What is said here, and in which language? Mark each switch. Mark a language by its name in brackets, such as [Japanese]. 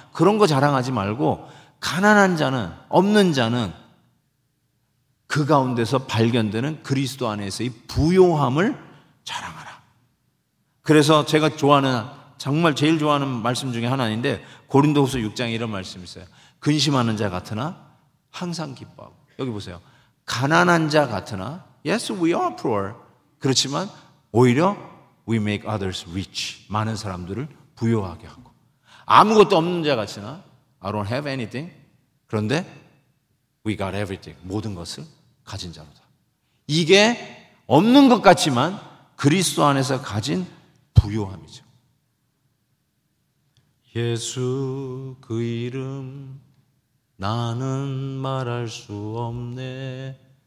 [Korean] 그런 거 자랑하지 말고 가난한 자는, 없는 자는 그 가운데서 발견되는 그리스도 안에서의 부요함을 자랑하라. 그래서 제가 좋아하는, 정말 제일 좋아하는 말씀 중에 하나인데 고린도후서 6장에 이런 말씀이 있어요. 근심하는 자 같으나 항상 기뻐하고. 여기 보세요. 가난한 자 같으나, [English] Yes, we are poor. [Korean] 그렇지만 오히려 [English] we make others rich. [Korean] 많은 사람들을 부요하게 하고. 아무것도 없는 자 같으나 [English] I don't have anything. [Korean] 그런데 [English] we got everything. [Korean] 모든 것을 가진 자로다. 이게 없는 것 같지만 그리스도 안에서 가진 부요함이죠. 예수 그 이름 나는 말할 수 없네.